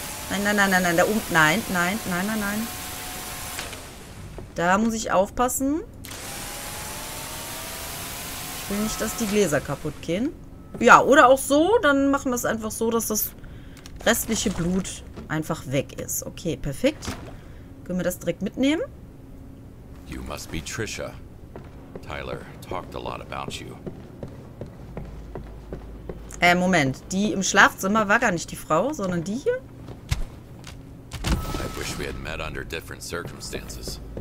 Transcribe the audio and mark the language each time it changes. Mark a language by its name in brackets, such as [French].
[German] Nein, nein, nein, nein, nein. Da oben. Nein, nein, nein, nein, nein. Da muss ich aufpassen. Ich will nicht, dass die Gläser kaputt gehen. Ja, oder auch so. Dann machen wir es einfach so, dass das restliche Blut einfach weg ist. Okay, perfekt. Können wir das direkt mitnehmen? [English] You must be Trisha. Tyler talked a lot about you. [German] Moment. Die im Schlafzimmer war gar nicht die Frau, sondern die hier? [English] I wish we had met under different circumstances.